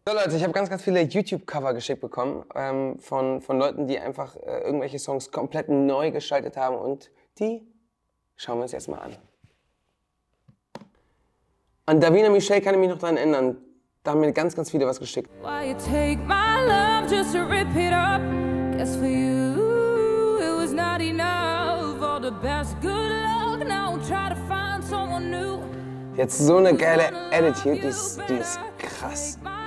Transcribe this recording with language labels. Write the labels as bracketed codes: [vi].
[de] So Leute, ich habe ganz, ganz viele YouTube-Cover geschickt bekommen von Leuten, die einfach irgendwelche Songs komplett neu geschaltet haben. Und die schauen wir uns jetzt mal an. An Davina Michelle kann ich mich noch dran erinnern. Da haben mir ganz, ganz viele was geschickt. [en] Why you take my love just to rip it up? Guess for you it was not enough. All the best good luck, now try to find someone new. [de] Jetzt so eine geile Attitude, die ist krass.